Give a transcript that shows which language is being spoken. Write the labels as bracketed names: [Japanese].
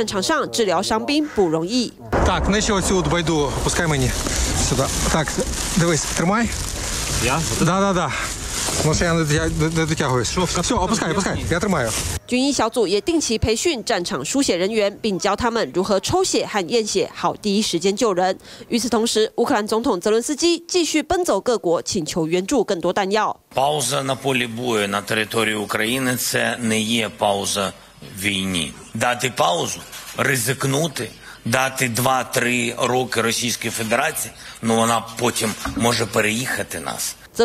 [Chinese] 另外，乌军表示，只要行军一停下来，就得马上挖壕沟，确保人力安全，也能把守据点，等待反攻，减少前线人力损失。尤其在战场上治疗伤兵不容易。 [Ukrainian] Так, не що оцю от байду, пускай мені сюди. Так, дивись, тримай. Я? Да. Ну, я не дотягуюсь. Все, опускай, я тримаю. [Chinese] 军医小组也定期培训战场输血人员，并教他们如何抽血和验血，好第一时间救人。与此同时，乌克兰总统泽伦斯基继续奔走各国，请求援助更多弹药。 [Ukrainian] Пауза на полі бою на території України – це не є пауза війні. Дати паузу, ризикнути, дати 2-3 роки Російській Федерації, ну вона потім може переїхати нас.